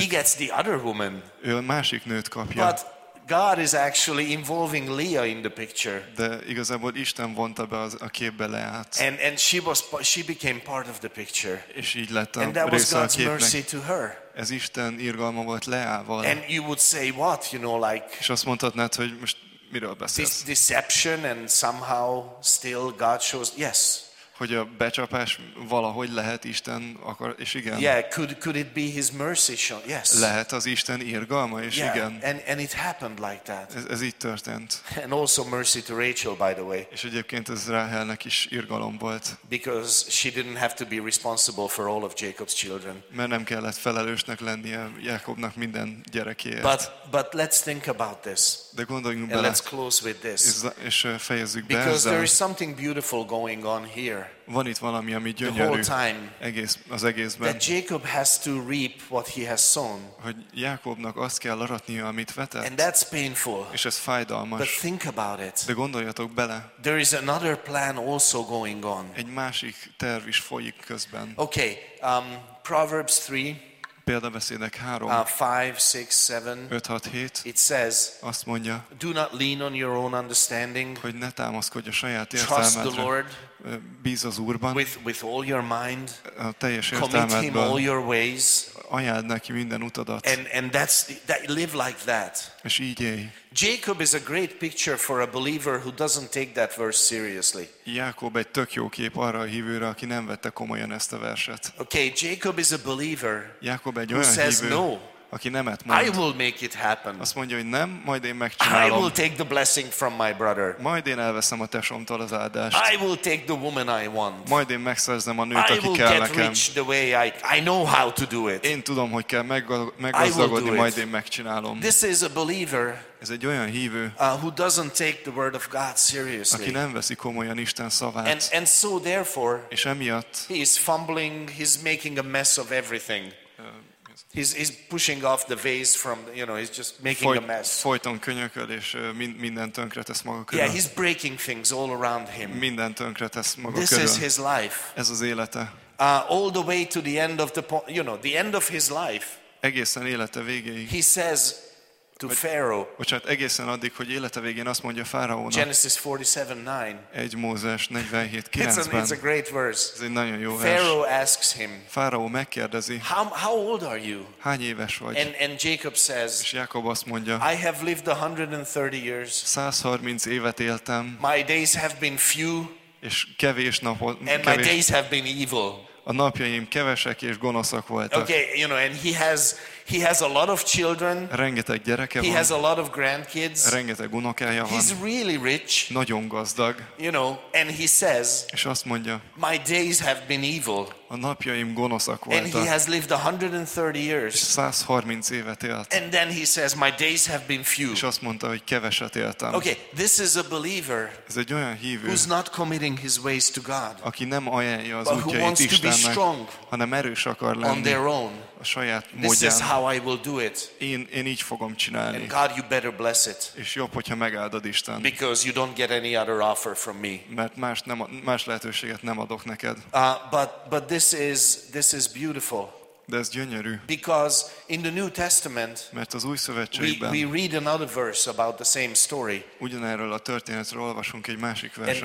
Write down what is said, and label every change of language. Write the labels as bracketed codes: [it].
[en] He gets the other woman. [hu] Ő a másik nőt kapja. [en] But God is actually involving Leah in the picture. [hu] De igazából Isten vonta be a képbe Leát. [en] And she became part of the picture. [hu] És így lett a [en] and that [hu] része [en] was God's [hu] a képnek. [en] Mercy to her. [hu] Ez Isten irgalma volt Leával. [en] And you would say what, you know, like. [hu] És azt mondhatnád, hogy most miről beszélsz? [en] Deception and somehow still God shows yes. [hu] Hogy a becsapás valahogy lehet Isten akar, és igen. [en] Yeah, could it be his mercy shown? Yes. [hu] Lehet az Isten irgalma, és [en] yeah, [hu] igen. [en] And it happened like that. [hu] Ez így történt. [en] And also mercy to Rachel, by the way. [hu] És egyébként ez Ráhelnek is irgalom volt. [en] Because she didn't have to be responsible for all of Jacob's children. [hu] Mert nem kellett felelősnek lennie Jákobnak minden gyerekéért. [en] But let's think about this. [hu] De gondoljunk [en] and [hu] bele. [en] Let's close with this. [hu] És fejezzük [en] because because there is something beautiful going on here. [hu] Van itt valami, ami gyönyörű az egészben. [en] That Jacob has to reap what he has sown. [hu] Hogy Jákobnak azt kell aratnia, amit vetett. [en] And that's painful. [hu] És ez fájdalmas. [en] But think about it. [hu] De gondoljatok bele. [en] There is another plan also going on. [hu] Egy másik terv is folyik közben. [en] Okay, Proverbs 3. [hu] Példabeszédek 3. [en] 5-6-7. [hu] 5-6-7. [en] It says. [hu] Azt mondja. [en] Do not lean on your own understanding. [hu] Hogy ne támaszkodj a saját értelmedre. [en] Trust the Lord. [hu] bíz az Úrban. [en] With all your mind. [hu] Teljes értelmedben. [en] Commit him all your ways. [hu] Ajánld neki minden utadat. [en] And that's that, live like that. [hu] És így élj. [en] Jacob is a great picture for a believer who doesn't take that verse seriously. [hu] Jákob egy tök jó kép arra a hívőre, aki nem vette komolyan ezt a verset. [en] Okay, Jacob is a believer. [hu] Jákob egy olyan hívő, [en] says no. [hu] Aki nemet mond. [en] I will make it happen. [hu] Azt mondja, hogy nem, majd én megcsinálom. [en] I will take the blessing from my brother. [hu] Majd én elveszem a tesómtól az áldást. [en] I will take the woman I want. [hu] Majd én megszerzem a nőt, aki [en] I will [hu] kell [en] get [hu] nekem. [en] Rich the way I know how to do it. [hu] Én tudom, hogy kell meggazdagodni, majd én megcsinálom. [en] This is a believer. [hu] Ez egy olyan hívő, [en] who doesn't take the word of God seriously. [hu] Aki nem veszi komolyan Isten szavát. [en] And so therefore, [hu] és emiatt, [en] he is fumbling, he's making a mess of everything. He's pushing off the vase from, you know, he's just making a mess. [hu] Folyton könyököl és minden tönkretesz maga körül. [en] Yeah, he's breaking things all around him. [hu] Minden tönkretesz maga [en] this [hu] körül. [en] This is his life. [hu] Ez az élete. [en] All the way to the end of the, you know, the end of his life. [hu] Egészen élete végéig. [en] He says to Pharaoh. [hu] Bocsánat, egészen addig, hogy élete végén azt mondja Fáraónak. [en] Genesis 47:9. [hu] 1 Mózes 47:9-ben. [en] It's a great verse. [hu] Ez egy nagyon jó [en] Pharaoh [hu] vers. [en] Asks him. [hu] Fáraó megkérdezi. [en] How old are you? [hu] Hány éves vagy? [en] And Jacob says. [hu] És Jákob azt mondja. [en] I have lived 130 years. [hu] 130 évet éltem. [en] My days have been few. [hu] És kevés napot. [en] And my days have been evil. [hu] A napjaim kevesek és gonoszak voltak. [en] Okay, you know, and he has a lot of children. [hu] Rengeteg gyereke [en] he [hu] van. [en] He has a lot of grandkids. [hu] Rengeteg unokája van. [en] He's really rich. [hu] Nagyon gazdag. [en] You know, and he says. [hu] És azt mondja. [en] My days have been evil. [hu] A napjaim gonoszak voltak. [en] And he has lived 130 years. [hu] 130 évet élt. [en] And then he says, my days have been few. [hu] És azt mondta, hogy keveset éltem. [en] Okay, this is a believer. [hu] Ez egy olyan hívő. [en] Who's not committing his ways to God. [hu] Aki nem ajánlja az útjait Istennek. Hanem erős akar lenni. [en] On their own. [hu] A saját módján. [en] This is how I will do it. [hu] Én így fogom csinálni. [en] And God, you better bless it. [hu] És jobb, hogyha megáldod Isten. [en] Because you don't get any other offer from me. [hu] Mert más lehetőséget nem adok neked. [en] But this is beautiful. [hu] De ez gyönyörű. [en] Because in the New Testament, [hu] mert az Új Szövetségben [en] we read another verse about the same story. [hu] Ugyanerről a történetről olvasunk egy másik verset